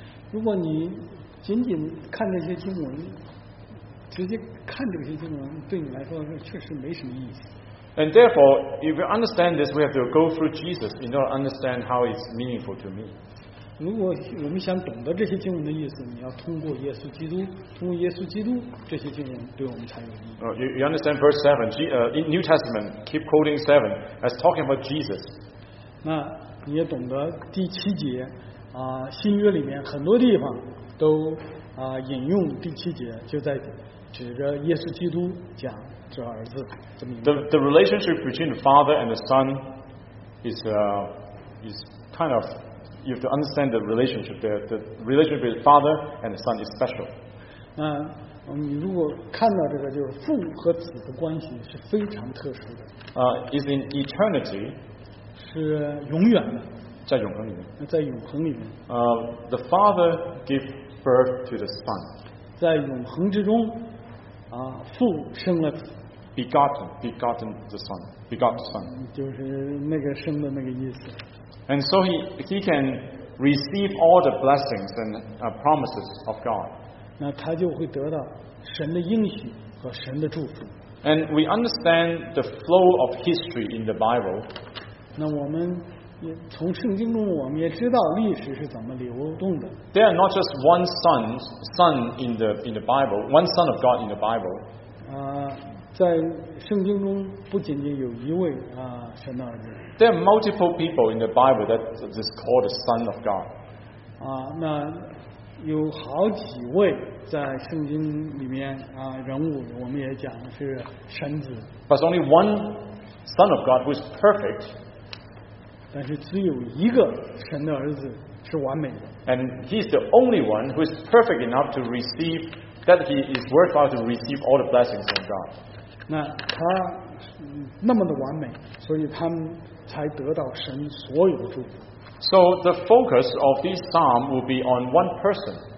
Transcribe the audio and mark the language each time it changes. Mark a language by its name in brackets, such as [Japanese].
[Chinese] 如果你仅仅看这些经文，直接看这些经文，对你来说确实没什么意思。 [English] And therefore, if we understand this, we have to go through Jesus in order to understand how it's meaningful to me. [Chinese] 如果我们想懂得这些经文的意思，你要通过耶稣基督，通过耶稣基督这些经文对我们才有意义。 [English] You understand verse 7, in New Testament, keep quoting 7, as talking about Jesus. 那 [Chinese] 你也懂得第七节啊，新约里面很多地方都啊引用第七节，就在指着耶稣基督讲这儿子。 [English] The relationship between the Father and the Son is kind of, you have to understand the relationship. The relationship between the Father and the Son is special. [Chinese] 那你如果看到这个，就是父和子的关系是非常特殊的。 [English] Is in eternity. [Chinese] 是永远的。在永恒里面。在永恒里面。 [English] The Father gave birth to the Son. [Chinese] 在永恒之中。啊，父生了子 [English] begotten the son, begot son, [Chinese] 就是那个生的那个意思。 [English] And so he can receive all the blessings and promises of God. [Chinese] 那他就会得到神的应许和神的祝福。 [English] And we understand the flow of history in the Bible. [Chinese] 那我们从圣经中我们也知道历史是怎么流动的。 [English] There are not just one son in the Bible, one son of God in the Bible. [Chinese] 在圣经中不仅仅有一位神的儿子。 [English] There are multiple people in the Bible that is called the Son of God. [Chinese] 那有好几位在圣经里面人物，我们也讲是神子。 [English] But only one Son of God who is perfect. [Chinese] 但是只有一个神的儿子是完美的。 [English] And he's the only one who is perfect enough to receive that he is worthwhile to receive all the blessings from God. [Chinese] 那他那么的完美，所以他们才得到神所有的祝福。 [English] So the focus of this psalm will be on one person.